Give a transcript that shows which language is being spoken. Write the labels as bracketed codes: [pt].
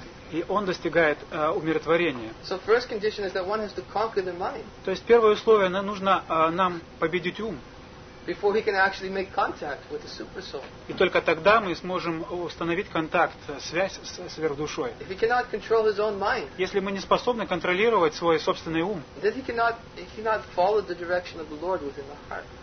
[ru] И он достигает умиротворения. [en] So first condition is that one has to conquer the mind. [ru] То есть первое условие, нужно нам победить ум. [en] Before he can actually make contact with the super soul. [ru] И только тогда мы сможем установить контакт, связь с сверхдушой. [en] If he cannot control his own mind, [ru] если мы не способны контролировать свой собственный ум, [en] then he cannot follow the direction of the Lord within the heart.